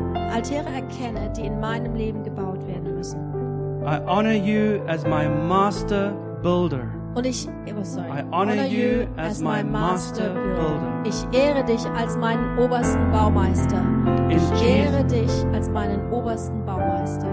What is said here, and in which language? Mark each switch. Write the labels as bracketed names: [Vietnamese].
[German] Altäre erkenne, die in meinem Leben gebaut werden müssen. [English] I honor you as my master builder. [German] Und ich, sorry. [English] I honor you as my master builder. [German] Ich ehre dich als meinen obersten Baumeister. Ich ehre dich als meinen obersten Baumeister.